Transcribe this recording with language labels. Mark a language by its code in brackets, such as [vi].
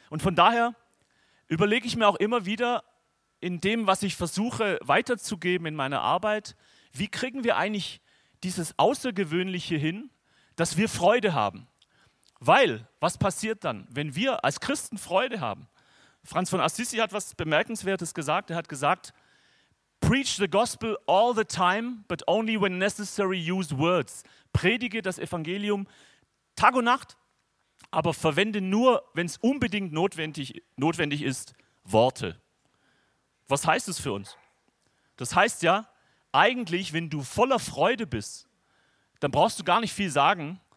[de] Und von daher überlege ich mir auch immer wieder in dem, was ich versuche weiterzugeben in meiner Arbeit, wie kriegen wir eigentlich dieses Außergewöhnliche hin, dass wir Freude haben? Weil, was passiert dann, wenn wir als Christen Freude haben? Franz von Assisi hat was Bemerkenswertes gesagt. Er hat gesagt, [en] preach the gospel all the time, but only when necessary use words. [de] Predige das Evangelium Tag und Nacht, aber verwende nur, wenn es unbedingt notwendig ist, Worte. Was heißt es für uns? Das heißt ja, eigentlich, wenn du voller Freude bist, dann brauchst du gar nicht viel sagen.